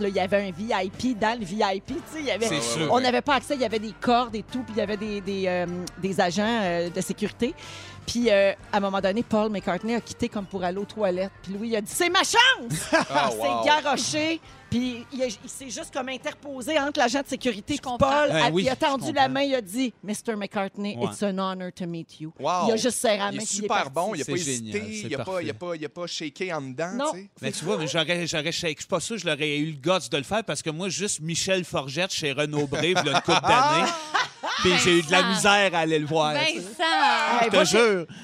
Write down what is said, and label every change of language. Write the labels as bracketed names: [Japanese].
[French] Là. Il y avait un VIP dans le VIP. Il y avait... On n'avait pas accès, il y avait des cordes et tout, puis il y avait des agents de sécurité. Puis, à un moment donné, Paul McCartney a quitté comme pour aller aux toilettes. Puis Louis, il a dit « C'est ma chance! » C'est garoché. Puis, il s'est juste comme interposé entre l'agent de sécurité et Paul. Il a tendu la main, il a dit « Mr. [English] McCartney, it's an honor to meet you. Wow. » [French] Il a juste serré la main. Il est super bon, il n'a pas hésité, il n'a pas shaké en dedans. Non. Mais tu vois, j'aurais shaké. Je ne suis pas sûr que j'aurais eu le guts de le faire parce que moi, juste Michel Forgette chez Renaud Brive, il y a une couple d'années. Puis j'ai eu de la misère à aller le voir. Vincent! Je te jure!